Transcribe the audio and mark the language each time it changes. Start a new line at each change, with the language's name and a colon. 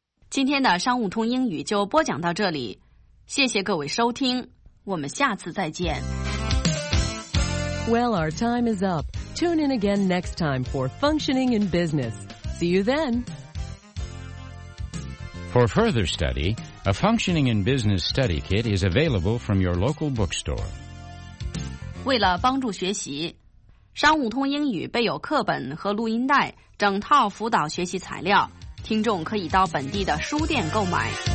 Chinese: Today's 商务通英语就播讲到这里。谢谢各位收听，我们下次再见。
English: Well, our time is up. Tune in again next time for Functioning in Business. See you then. For further study, a Functioning in Business study kit is available from your local bookstore.
Chinese: 为了帮助学习，商务通英语备有课本和录音带，整套辅导学习材料，听众可以到本地的书店购买。